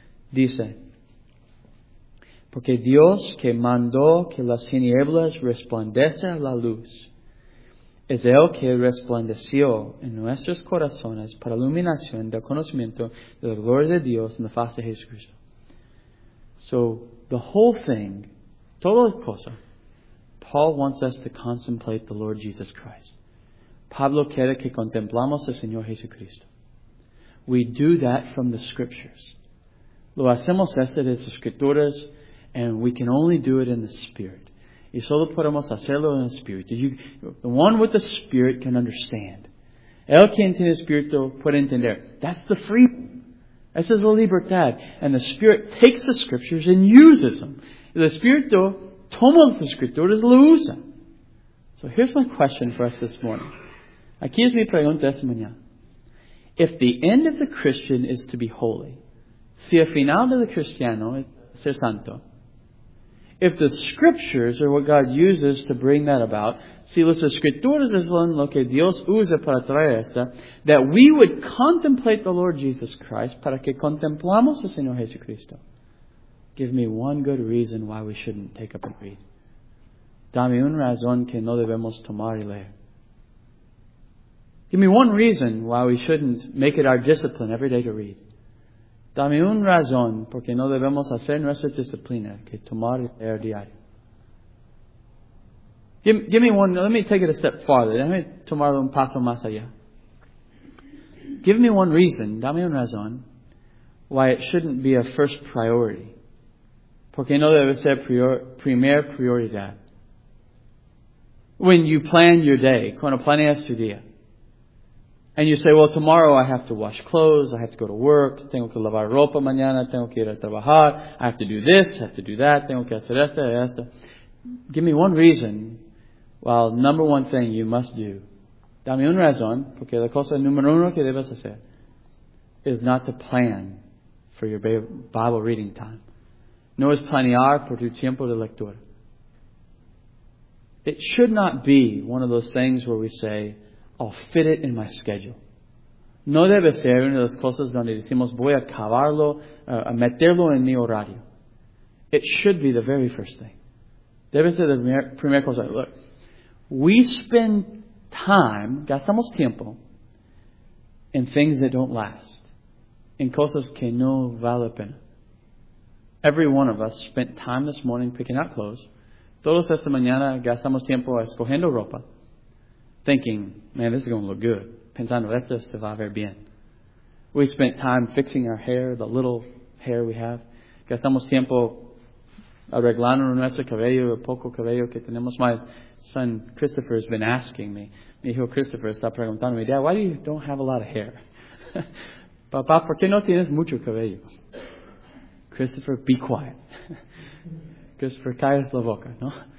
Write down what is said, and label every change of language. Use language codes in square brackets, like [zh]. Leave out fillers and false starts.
[es] Dice, porque Dios que mandó que las tinieblas resplandezcan la luz, es el que resplandeció en nuestros corazones para iluminación del conocimiento de la gloria de Dios en la faz de Jesucristo. [en] So, the whole thing, [es] toda cosa, [en] Paul wants us to contemplate the Lord Jesus Christ. [es] Pablo quiere que contemplamos al Señor Jesucristo. [en] We do that from the Scriptures. [es] Lo hacemos desde las Escrituras, [en] and we can only do it in the Spirit. [es] Y solo podemos hacerlo en el Espíritu. [en] The one with the Spirit can understand. [es] El quien tiene Espíritu puede entender. [en] That's the freedom. [es] Esa es la libertad. [en] And the Spirit takes the Scriptures and uses them. [es] El Espíritu toma las Escrituras y lo usa. [en] So here's my question for us this morning. [es] Aquí es mi pregunta esta mañana. [en] If the end of the Christian is to be holy, [es] si el final del cristiano es ser santo, [en] if the Scriptures are what God uses to bring that about, [es] si las Escrituras es lo que Dios usa para traer esta, [en] that we would contemplate the Lord Jesus Christ [es] para que contemplamos al Señor Jesucristo, [en] give me one good reason why we shouldn't take up and read. [es] Dame una razón que no debemos tomar y leer. [en] Give me one reason why we shouldn't make it our discipline every day to read. [es] Dame una razón por qué no debemos hacer nuestra disciplina que tomar y leer diario. [en] Give me one, let me take it a step farther. Let me [es] tomar un paso más allá. [en] Give me one reason, [es] dame una razón, [en] why it shouldn't be a first priority. [es] Por qué no debe ser primer prioridad. [en] When you plan your day, [es] cuando planeas tu día, [en] and you say, well, tomorrow I have to wash clothes, I have to go to work, [es] tengo que lavar ropa mañana, tengo que ir a trabajar, [en] I have to do this, I have to do that, [es] tengo que hacer esto, esto. [en] Give me one reason, well, number one thing you must do. [es] Dame una razón, porque la cosa número uno que debes hacer [en] is not to plan for your Bible reading time. [es] No es planear por tu tiempo de lectura. [en] It should not be one of those things where we say, I'll fit it in my schedule. [es] No debe ser una de las cosas donde decimos, voy a cavarlo, a meterlo en mi horario. [en] It should be the very first thing. [es] Debe ser la primera cosa. [en] Look, we spend time, [es] gastamos tiempo, [en] in things that don't last. [es] In cosas que no vale la pena. [en] Every one of us spent time this morning picking out clothes. [es] Todos esta mañana gastamos tiempo escogiendo ropa. [en] Thinking, man, this is going to look good. [es] Pensando, esto se va a ver bien. [en] We spent time fixing our hair, the little hair we have. [es] Gastamos tiempo arreglando nuestro cabello, el poco cabello que tenemos. [en] My son Christopher has been asking me. [es] Mi hijo Christopher está preguntando me, [en] Dad, why do you don't have a lot of hair? [es] Papá, ¿por qué no tienes mucho cabello? [en] Christopher, be quiet. [es] Christopher, callas la boca, ¿no?